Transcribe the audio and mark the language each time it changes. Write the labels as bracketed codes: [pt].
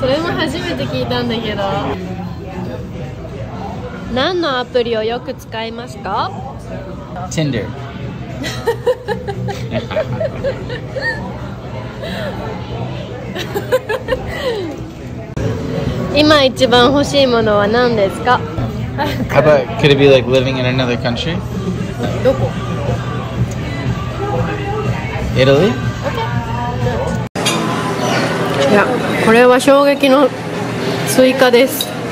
[ja] それも初めて聞いたんだけど。何のアプリをよく使いますか？ Tinder。今一番欲しいものは何ですか？ [en] How about, could it be like living in another country? [ja] どこ？ [en] Italy? [ja] いや、これは衝撃のスイカです。